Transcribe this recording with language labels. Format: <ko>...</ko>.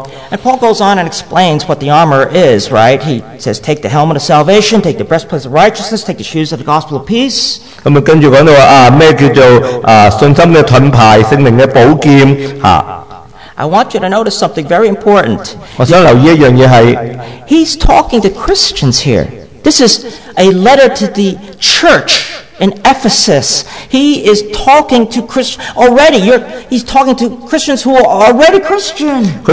<en>And Paul goes on and explains what the armor is, right? He says, take the helmet of salvation, take the breastplate of righteousness, take the shoes of the gospel of peace.</en> <zh>那么跟着说到,什么叫做信心的盾牌,圣灵的宝剑,</zh> <en>I want you to notice something very important.</en> <zh>我想留意一件事是,</zh> <en>He's talking to Christians here. This is a letter to the church in Ephesus. He is talking to Christians already. He's talking to Christians who are already Christian.</en>